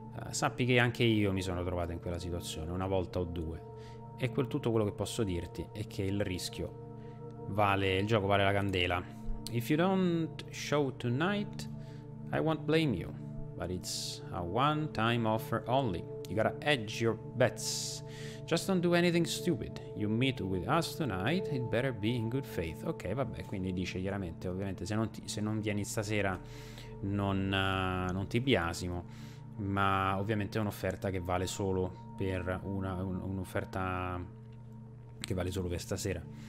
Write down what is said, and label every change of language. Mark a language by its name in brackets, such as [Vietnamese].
[Italian] Sappi che anche io mi sono trovato in quella situazione, una volta o due. E tutto quello che posso dirti è che il rischio vale, il gioco vale la candela. [English] If you don't show tonight, I won't blame you. But it's a one-time offer only. You gotta edge your bets. Just don't do anything stupid. You meet with us tonight, it better be in good faith. [Italian] Ok, vabbè, quindi dice chiaramente, ovviamente, se non vieni stasera non ti biasimo. Ma ovviamente è un'offerta che vale solo per un'offerta che vale solo per stasera.